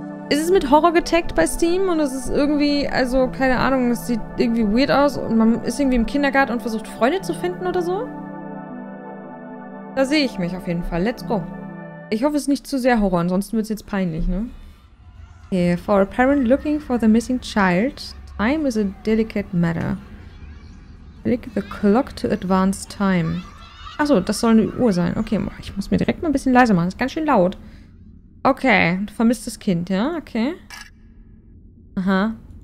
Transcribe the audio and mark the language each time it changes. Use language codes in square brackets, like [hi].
[de] Ist es mit Horror getaggt bei Steam und es ist irgendwie, also keine Ahnung, es sieht irgendwie weird aus und man ist irgendwie im Kindergarten und versucht Freunde zu finden oder so? Da sehe ich mich auf jeden Fall. [en] Let's go. [de] Ich hoffe, es ist nicht zu sehr Horror, ansonsten wird es jetzt peinlich, ne? [en] Okay, for a parent looking for the missing child, time is a delicate matter. Click the clock to advance time. [de] Achso, das soll eine Uhr sein. Okay, ich muss mir direkt mal ein bisschen leiser machen. Das ist ganz schön laut. Okay, du vermisst das Kind, ja? Okay. Aha.